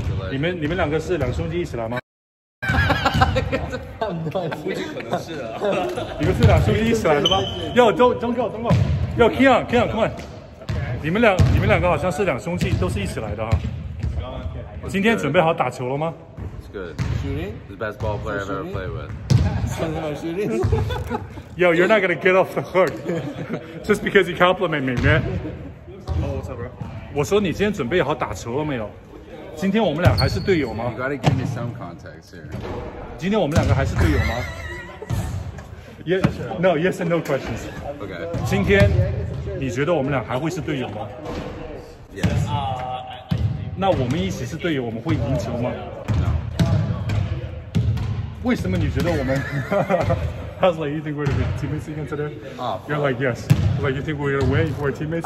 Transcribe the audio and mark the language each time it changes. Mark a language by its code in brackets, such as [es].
[zh] 你们两个是两兄弟一起来吗？估计可能是啊。你们是两兄弟一起来的吗？ [en] 要don't go. 要 Kian, come on. [zh] 你们两个好像是两兄弟，都是一起来的哈。今天准备好打球了吗？ [en] It's good. Shooting? The best ball player I've ever played with. Yo, you're not gonna get off the hook just because you compliment me, man. Oh, what's up, bro? [zh] 我说你今天准备好打球了没有？今天我们俩还是队友吗？ [en] You gotta give me some context here. [zh] 今天我们两个还是队友吗？ [en] Yes, no, yes and no questions. Okay. [zh] 今天你觉得我们俩还会是队友吗？ [en] Yes. [zh] 那我们一起是队友，我们会赢球吗？ [en] No. [zh] 为什么你觉得我们？ [en] I was like, you think we're gonna be teammates again today? You're like, yes. Like, you think we're gonna win for teammates?